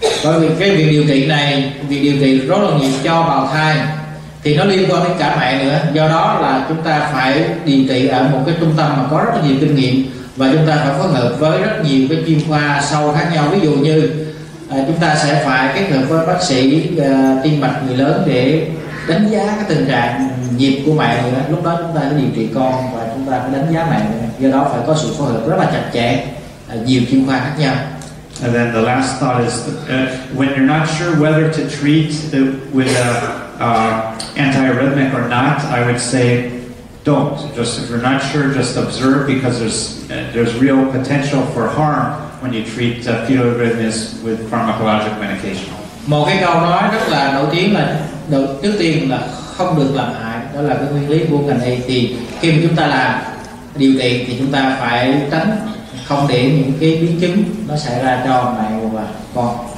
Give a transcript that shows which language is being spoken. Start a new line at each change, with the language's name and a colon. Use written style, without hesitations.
Vietnamese: Bởi vì cái việc điều trị này, việc điều trị rối loạn nhịp cho bào thai thì nó liên quan đến cả mẹ nữa, do đó là chúng ta phải điều trị ở một cái trung tâm mà có rất nhiều kinh nghiệm, và chúng ta phải phối hợp với rất nhiều cái chuyên khoa sâu khác nhau. Ví dụ như chúng ta sẽ phải kết hợp với bác sĩ tim mạch người lớn để đánh giá cái tình trạng nhịp của mẹ nữa. Lúc đó chúng ta phải điều trị con và chúng ta phải đánh giá mẹ nữa. Do đó phải có sự phối hợp rất là chặt chẽ, nhiều chuyên khoa khác nhau.
English: And then the last thought is when you're not sure whether to treat with antiarrhythmic or not, I would say don't. Just if you're not sure, just observe, because there's real potential for harm when you treat fetal arrhythmias with pharmacologic medication.
Vietnamese: Một cái câu nói rất là nổi tiếng là trước tiên là không được làm hại, đó là cái nguyên lý của ngành y. Thì khi mà chúng ta làm điều trị thì chúng ta phải tránh không để những cái biến chứng nó xảy ra cho mẹ và con.